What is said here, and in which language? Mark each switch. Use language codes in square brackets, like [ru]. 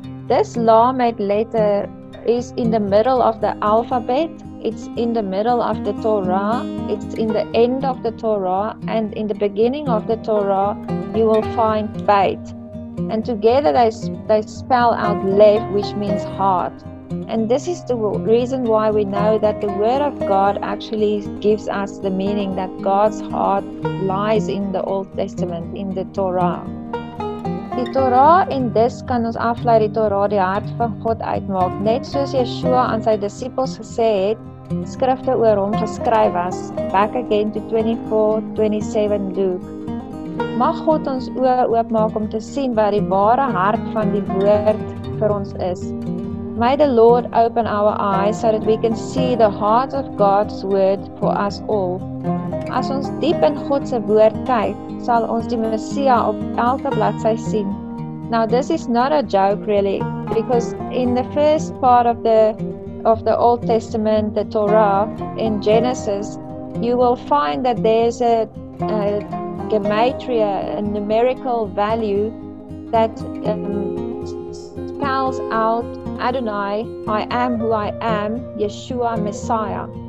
[en] This lamed letter is in the middle of the alphabet, it's in the middle of the Torah, it's in the end of the Torah, and in the beginning of the Torah you will find bait. And together they spell out lev, which means heart. And this is the reason why we know that the Word of God actually gives us the meaning that God's heart lies in the Old Testament, in the Torah. [af] Die Torah en dis kan ons aflei die Torah die hart van God uitmaak, net soos Yeshua aan sy disippels gesê het, skrifte oor hom geskryf was, [en] back again to 24:27 Luke. [af] Mag God ons oë oopmaak om te sien wat die ware hart van die woord vir ons is. [en] May the Lord open our eyes so that we can see the heart of God's word for us all. [af] As ons diep in God se woord kyk, sal ons die Messia op elke bladsy sien. [en] Now this is not a joke really, because in the first part of the Old Testament, the Torah in Genesis, you will find that there's a gematria, a numerical value that spells out Adonai, I am who I am, Yeshua Messiah.